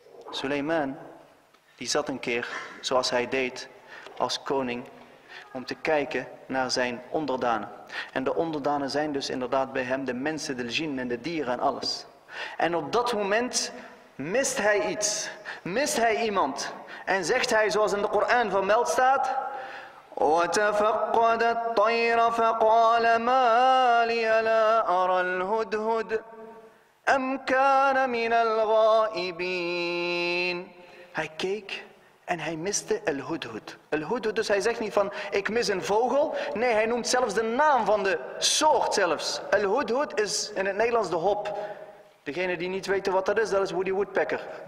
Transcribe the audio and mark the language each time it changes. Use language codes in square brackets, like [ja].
[nl] Suleiman, die zat een keer, zoals hij deed, als koning, om te kijken naar zijn onderdanen. En de onderdanen zijn dus inderdaad bij hem de mensen, de jin en de dieren en alles. En op dat moment mist hij iets. Mist hij iemand. En zegt hij, zoals in de Koran vermeld staat, [ar] وَتَفَقَّدَ الطَّيْرَ فَقَالَ مَا لِيَ لَا أَرَى الْهُدْهُدْ أَمْ كَانَ مِنَ الْغَائِبِينَ. [nl] Hij keek en hij miste el hudhud. El hudhud, dus hij zegt niet van ik mis een vogel. Nee, hij noemt zelfs de naam van de soort zelfs. El hudhud is in het Nederlands de hop. Degene die niet weten wat dat is Woody Woodpecker.